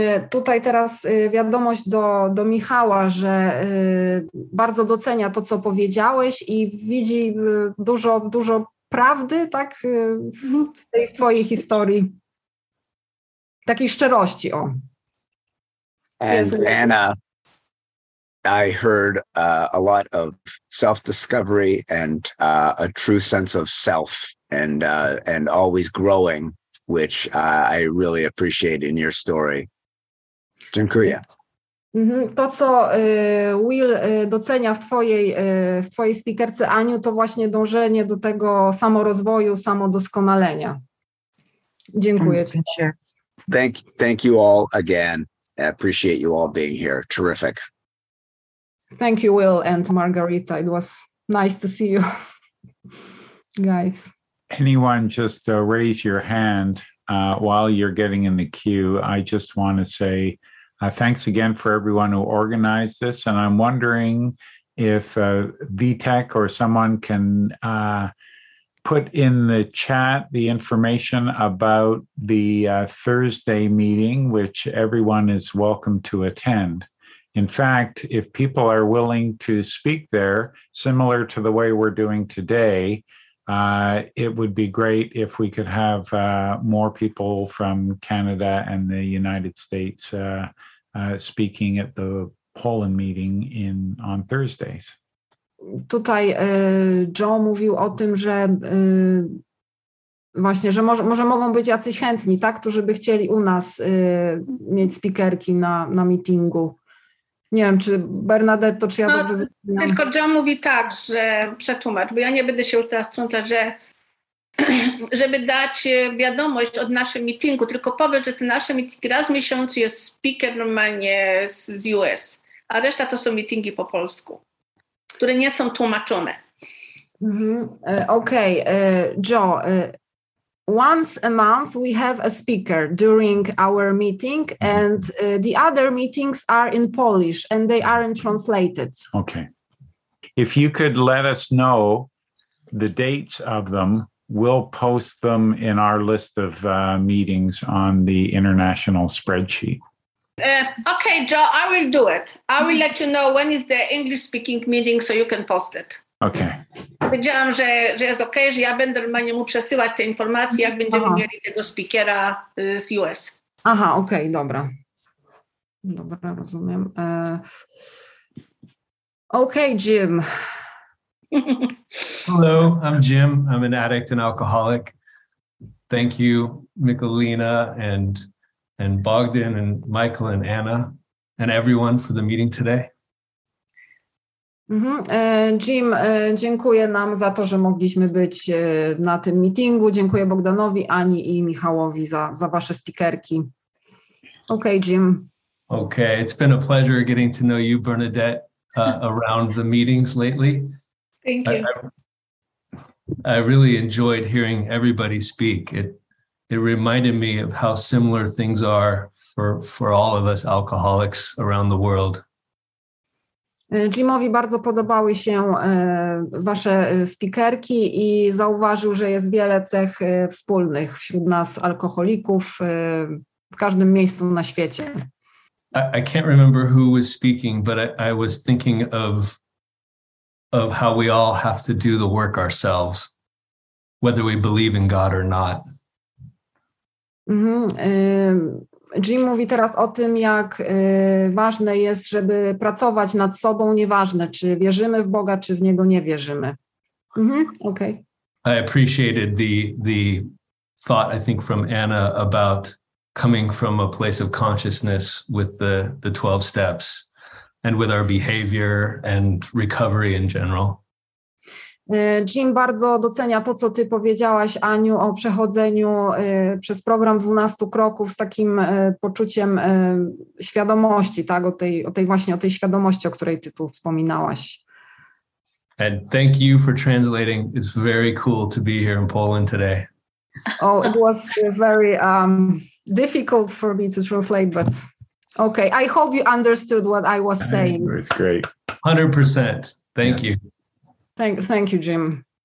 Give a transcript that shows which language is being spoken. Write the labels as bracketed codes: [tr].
[pl] Tutaj teraz wiadomość do Michała, że bardzo docenia to, co powiedziałeś, i widzi dużo, dużo prawdy, tak, w twojej historii. Takiej szczerości, o. [en] And Anna, I heard a lot of self-discovery and a true sense of self and always growing, which I really appreciate in your story. [pl] Dziękuję. To, co Will docenia w twojej speakerce, Aniu, to właśnie dążenie do tego samorozwoju, samodoskonalenia. Dziękuję. [en] Thank you all again. I appreciate you all being here. Terrific. Thank you, Will and Margarita. It was nice to see you guys. Anyone just raise your hand while you're getting in the queue. I just want to say thanks again for everyone who organized this. And I'm wondering if VTech or someone can put in the chat the information about the Thursday meeting, which everyone is welcome to attend. In fact, if people are willing to speak there, similar to the way we're doing today, it would be great if we could have more people from Canada and the United States speaking at the Poland meeting on Thursdays. [pl] Tutaj Joe mówił o tym, że właśnie, że może mogą być jacyś chętni, tak, którzy by chcieli u nas mieć speakerki na meetingu. Nie wiem, czy Bernadette, czy ja no, dobrze zrozumiałam. Tylko John mówi tak, że przetłumacz, bo ja nie będę się już teraz trącać, że żeby dać wiadomość od naszym meetingu, tylko powiedz, że ten nasz meeting raz w miesiącu jest speaker normalnie z US, a reszta to są meetingi po polsku, które nie są tłumaczone. Mm-hmm. Okej, okay. Joe. [en] Once a month we have a speaker during our meeting and the other meetings are in Polish and they aren't translated. Okay. If you could let us know the dates of them, we'll post them in our list of meetings on the international spreadsheet. Okay, Joe, I will do it. I will let you know when is the English speaking meeting so you can post it. Okay. [pl] Powiedziałam, że jest okej, okay, że ja będę normalnie mu przesyłać te informacje, jak będziemy Aha. mieli tego speakera z US. Aha, okej, okay, dobra. Dobra, rozumiem. Okej, okay, Jim. [en] Hello, I'm Jim. I'm an addict and alcoholic. Thank you, Michalina and Bogdan and Michael and Anna and everyone for the meeting today. Mm-hmm. [pl] Jim, dziękuję nam za to, że mogliśmy być na tym meetingu. Dziękuję Bogdanowi, Ani i Michałowi za wasze speakerki. [en] Okay, Jim. Okay, it's been a pleasure getting to know you, Bernadette, around the meetings lately. Thank you. I really enjoyed hearing everybody speak. It reminded me of how similar things are for all of us alcoholics around the world. [pl] Jimowi bardzo podobały się wasze speakerki i zauważył, że jest wiele cech wspólnych wśród nas, alkoholików, w każdym miejscu na świecie. [en] I can't remember who was speaking, but I was thinking of how we all have to do the work ourselves, whether we believe in God or not. Mm-hmm. [pl] Jim mówi teraz o tym, jak ważne jest, żeby pracować nad sobą, nieważne, czy wierzymy w Boga, czy w Niego nie wierzymy. Mm-hmm. Okay. [en] I appreciated the thought, I think, from Anna about coming from a place of consciousness with the 12 steps and with our behavior and recovery in general. [pl] Jim bardzo docenia to, co ty powiedziałaś, Aniu, o przechodzeniu przez program 12 kroków z takim poczuciem świadomości, tak, o tej świadomości, o której ty tu wspominałaś. [en] And thank you for translating. It's very cool to be here in Poland today. Oh, it was very difficult for me to translate, but okay. I hope you understood what I was saying. It's great. 100%. Thank you. Thank you, Jim.